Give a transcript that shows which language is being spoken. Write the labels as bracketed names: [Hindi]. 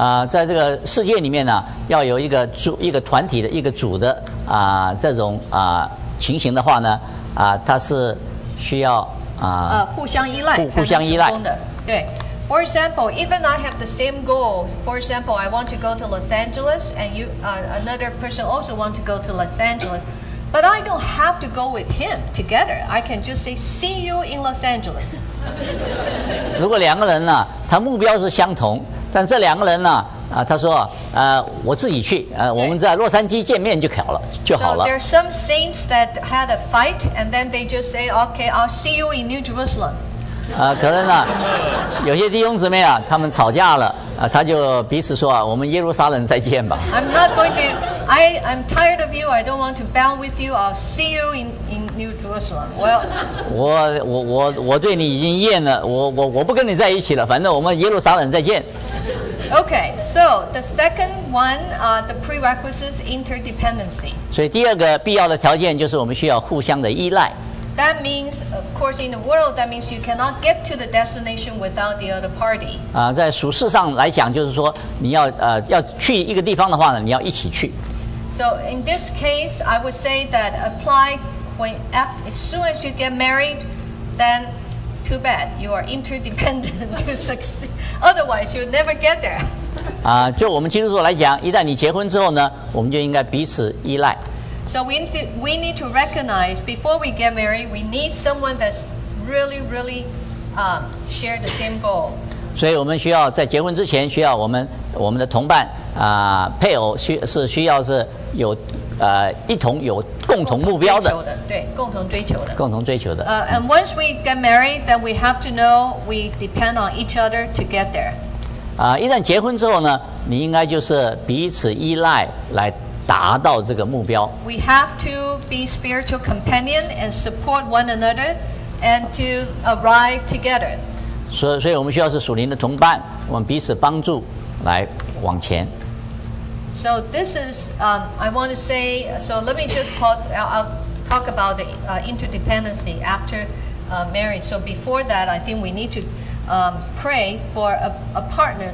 [Chinese] 在这个世界里面呢，要有一个团体的一个组的。这种情形的话呢它是需要互相依赖互相依赖 [English] 对 for example even I have the same goal for example I want to go to Los Angeles and you another person also want to go to Los Angeles but I don't have to go with him together I can just say see you in Los Angeles [Chinese] 如果两个人呢他目标是相同但这两个人呢他说我自己去我们在洛杉矶见面就好了。 [English] So there are some saints that had a fight and then they just say, okay, I'll see you in New Jerusalem. [Chinese] 可能呢有些弟兄姊妹啊他们吵架了他就彼此说我们耶路撒冷再见吧。 [English] I'm tired of you, I don't want to battle with you, I'll see you in New Jerusalem. Well, [Chinese] 我对你已经厌了我不跟你在一起了反正我们耶路撒冷再见。 [English] Okay, so the second one, the prerequisite is interdependency. [Chinese] 所以第二个必要的条件就是我们需要互相的依赖。 [English] That means, of course, in the world, that means you cannot get to the destination without the other party. [Chinese] 在属世上来讲，就是说你要要去一个地方的话呢，你要一起去。 [English] So in this case, I would say that apply when as soon as you get married, then. Too bad you are interdependent to succeed. Otherwise, you'll never get there. [Chinese] 就我们基督徒来讲，一旦你结婚之后呢，我们就应该彼此依赖。 [English] So we need to recognize before we get married, we need someone that's really, really, share the same goal. [Chinese] 所以我们需要在结婚之前，需要我们的同伴配偶是需要是有一同有共同目标的，对，共同追求的，共同追求的。 [English] And once we get married, then we have to know we depend on each other to get there. [Chinese] 一旦结婚之后呢，你应该就是彼此依赖来达到这个目标。 [English] We have to be spiritual companion and support one another, and to arrive together. [Chinese] 所以我们需要是属灵的同伴，我们彼此帮助来往前。 [English] So this is, I want to say, so let me just talk about the interdependency after marriage. So before that, I think we need to pray for a partner.